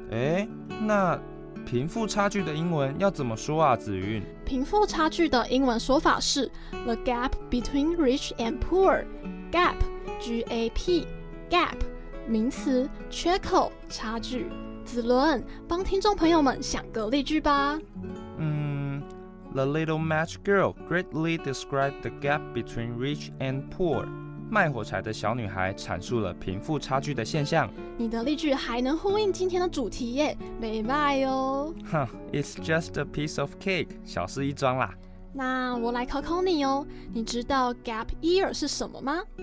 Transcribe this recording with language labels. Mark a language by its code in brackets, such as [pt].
[zh] 诶，那贫富差距的英文要怎么说啊，子韵？贫富差距的英文说法是 [en] The gap between rich and poor. [zh] Gap, G-A-P, gap, 名词，缺口，差距。子伦，帮听众朋友们想个例句吧。 [en] The little match girl greatly described the gap between rich and poor. [zh] 卖火柴的小女孩阐述了贫富差距的现象。你的例句还能呼应今天的主题耶，没卖哦。 [en] It's just a piece of cake, [zh] 小事一桩啦。那我来考考你哦，你知道 gap year 是什么吗？